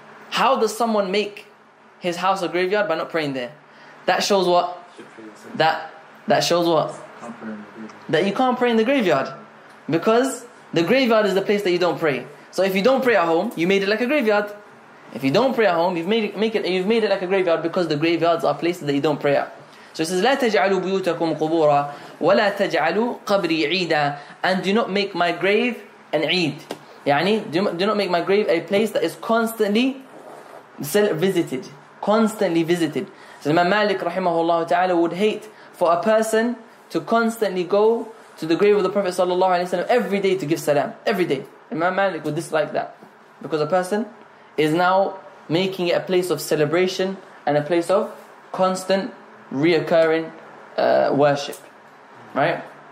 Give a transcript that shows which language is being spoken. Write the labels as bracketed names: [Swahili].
[English] How does someone make his house a graveyard by not praying there? That shows what? That shows what? That you can't pray in the graveyard, because the graveyard is the place that you don't pray. So if you don't pray at home, you made it like a graveyard. If you don't pray at home, you've made it like a graveyard, because the graveyards are places that you don't pray at. So it says [Arabic] لا تجعلوا بيوتكم قبورا ولا تجعلوا قبري عيدا, [English] and do not make my grave an عيد. يعني do not make my grave a place that is constantly visited. So Imam Malik rahimahullah ta'ala would hate for a person to constantly go to the grave of the Prophet sallallahu alaihi wasallam every day to give salam. Every day. Imam Malik would dislike that, because a person is now making it a place of celebration and a place of constant reoccurring worship. Right?